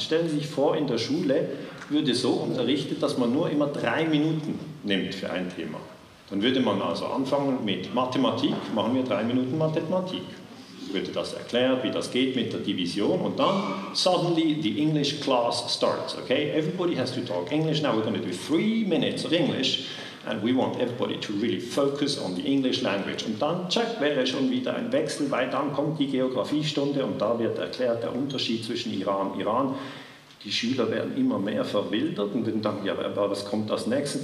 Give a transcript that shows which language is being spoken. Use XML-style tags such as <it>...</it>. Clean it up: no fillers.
<de>Stellen Sie sich vor, in der Schule würde so unterrichtet, dass man nur immer 3 Minuten nimmt für ein Thema. Dann würde man also anfangen mit Mathematik, machen wir 3 Minuten Mathematik. Würde das erklärt, wie das geht mit der Division und dann</de> <en>suddenly the English class starts, okay? Everybody has to talk English now, we're going to do 3 minutes of English and we want everybody to really focus on the English language.</en> <de>Und dann, check, wäre schon wieder ein Wechsel, weil dann kommt die Geografiestunde und da wird erklärt der Unterschied zwischen Iran und Iran. Die Schüler werden immer mehr verwildert und würden denken, ja, aber was kommt als nächstes?</de>